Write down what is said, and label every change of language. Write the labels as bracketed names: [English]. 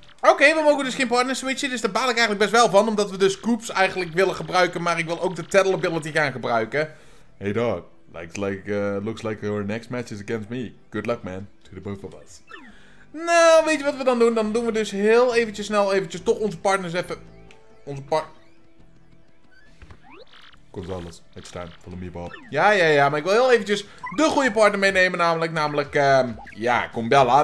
[Dutch] Oké, we mogen dus geen partners switchen. Dus daar baal ik eigenlijk best wel van. Omdat we dus Koops eigenlijk willen gebruiken. Maar ik wil ook de Tattle Ability gaan gebruiken. [English] Hey dog. Looks like your next match is against me. Good luck man. To the both of us. [Dutch] Nou, weet je wat we dan doen? Dan doen we dus heel eventjes snel eventjes toch onze partners even... Onze partners... Komt alles. [English] It's time. Follow me, Bob. [Dutch] Ja. Maar ik wil heel eventjes de goede partner meenemen. Namelijk, Combella.